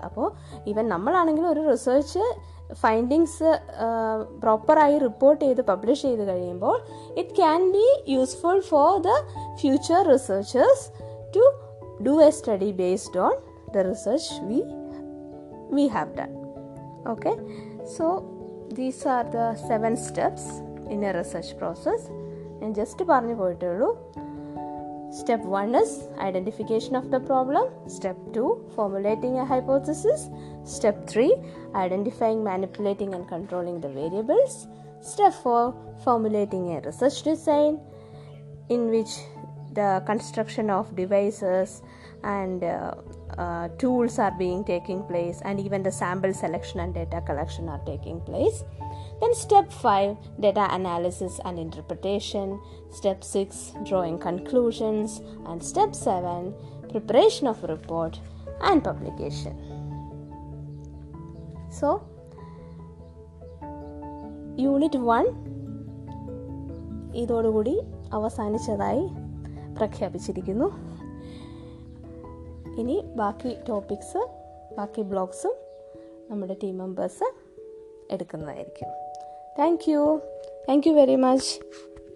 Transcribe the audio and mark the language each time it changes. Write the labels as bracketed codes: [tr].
[ml] അപ്പോൾ ഈവൻ നമ്മളാണെങ്കിലും ഒരു research findings പ്രോപ്പറായി report ചെയ്ത് പബ്ലിഷ് ചെയ്ത് കഴിയുമ്പോൾ [en] It can be useful for the future researchers to do a study based on the research we have done. Okay, so these are the 7 steps in a research process. And just [ml] parney poyittullu, [en] step 1 is identification of the problem, step 2 formulating a hypothesis, step 3 identifying, manipulating and controlling the variables, step 4 formulating a research design in which the construction of devices and tools are being taking place, and even the sample selection and data collection are taking place. Then step 5, data analysis and interpretation, step 6, drawing conclusions, and step 7, preparation of report and publication. So unit 1 [ml] idodu kodi avasanichathayi പ്രഖ്യാപിച്ചിരിക്കുന്നു. ഇനി ബാക്കി topics, ബാക്കി ബ്ലോഗ്സും നമ്മുടെ team members എടുക്കുന്നതായിരിക്കും. [en] Thank you very much.